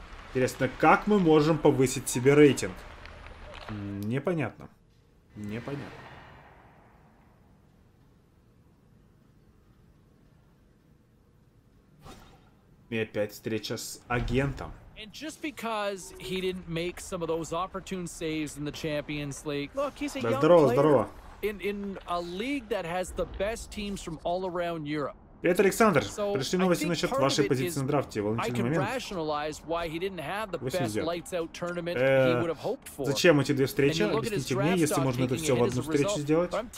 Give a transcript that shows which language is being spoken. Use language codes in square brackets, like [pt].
[ru] Интересно, как мы можем повысить себе рейтинг? Непонятно. Непонятно. И опять встреча с агентом. [en] And just because he didn't make some of those opportune saves in the Champions League, look, he's a young player in a league that has the best teams from all around Europe. [ru] Привет, Александр. Пришли новости насчет вашей позиции на драфте. Волнительный момент. 89. Зачем эти две встречи? Объясните мне, если можно это все в одну встречу сделать.